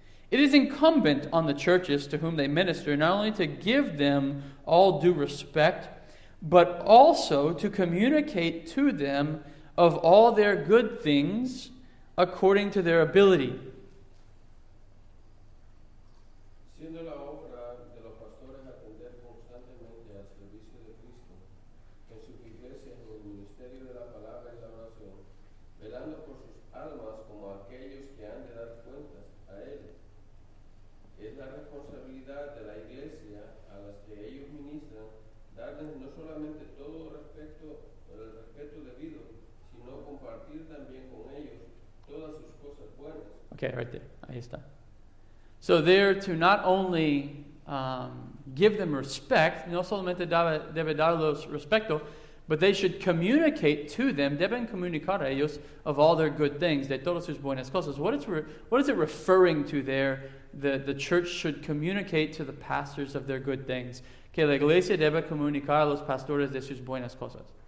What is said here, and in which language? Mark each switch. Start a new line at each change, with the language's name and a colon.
English: It is incumbent on the churches to whom they minister not only to give them all due respect, but also to communicate to them of all their good things according to their ability.
Spanish: Siendo la obra de los pastores atender constantemente al servicio de Cristo, que subyace en el ministerio de la palabra y la oración, velando por sus almas como aquellos que han de dar cuentas a él. Es la responsabilidad de la iglesia a las que ellos ministran darles no solamente todo respeto, el respeto debido, sino compartir también con ellos todas sus cosas buenas.
English: Okay, right there.
Spanish: Ahí está.
English: So they're to not only give them respect,
Spanish: no solamente debe darlos respeto,
English: but they should communicate to them,
Spanish: deben comunicar a ellos,
English: of all their good things,
Spanish: de todas sus buenas cosas.
English: What is it referring to there? The church should communicate to the pastors of their good things.
Spanish: Que la iglesia debe comunicar a los pastores de sus buenas cosas.